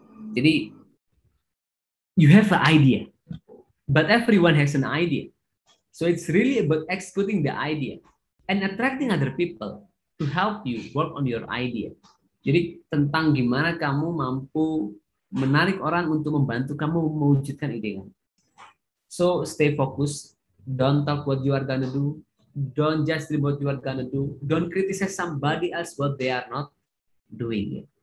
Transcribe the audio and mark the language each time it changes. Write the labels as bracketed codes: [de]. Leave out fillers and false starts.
[id] Jadi, [en] you have an idea, but everyone has an idea. So it's really about executing the idea and attracting other people to help you work on your idea. [id] Jadi tentang gimana kamu mampu menarik orang untuk membantu kamu mewujudkan ide kamu. [en] So stay focused, don't talk what you are gonna do, don't just dream what you are gonna do, don't criticize somebody else what they are not doing.